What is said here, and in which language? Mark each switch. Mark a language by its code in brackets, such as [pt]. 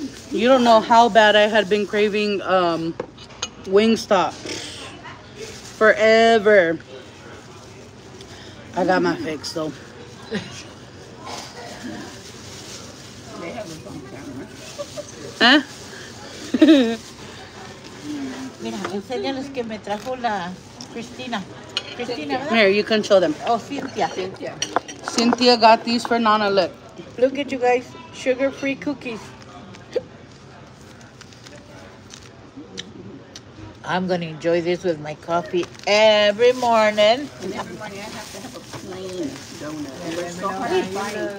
[en] You don't know how bad I had been craving Wingstop. Forever. I got my fix, though. They have a phone camera. Huh? [es] Mira, enséñales que me trajo la Christina. [en] Christina, here, you can show them. Oh, Cynthia. Cynthia got these for Nana. Look. Look at you guys. Sugar-free cookies. I'm going to enjoy this with my coffee every morning. And every morning I have to have a plain donut. And they're so hard to find.